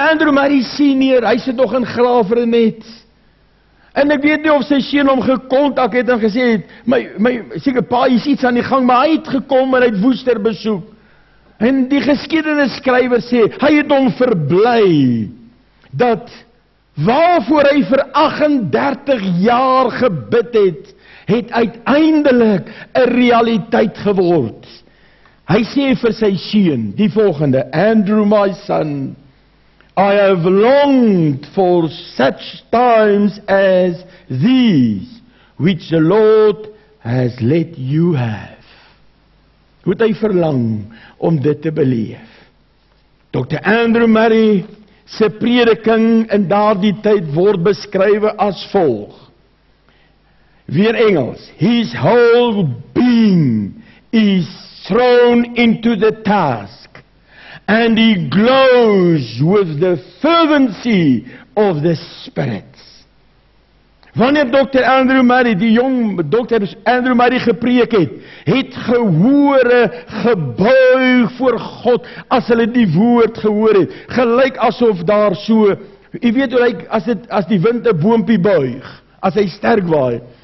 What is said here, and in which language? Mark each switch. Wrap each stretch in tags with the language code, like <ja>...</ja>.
<af>Andrew Murray senior, hy sit nog in Graafrenet. En ek weet nie of sy seun hom gekontak het en gesê het, my seker pa is iets aan die gang, maar hy het gekom en hy het Woester besoek. En die geskiedenisskrywer sê, hy het hom verbly, dat waarvoor hy vir 38 jaar gebid het, het uiteindelik 'n realiteit geword. Hy sê vir sy seun die volgende:</af> <en>"Andrew, my son, I have longed for such times as these, which the Lord has let you have."</en> <af>Moet hy verlang om dit te beleef. Dr. Andrew Murray se prediking in daardie tyd word beskrywe as volg. Weer Engels:</af> <en>"His whole being is thrown into the task and he glows with the fervency of the spirits."</en> <af>Wanneer Dr. Andrew Murray, die jong Dr. Andrew Murray gepreek het, het gehore gebuig voor God as hulle die woord gehoor het, gelyk asof daar so, jy weet hoe lyk as die wind 'n boompie buig, as hy sterk waai.</af>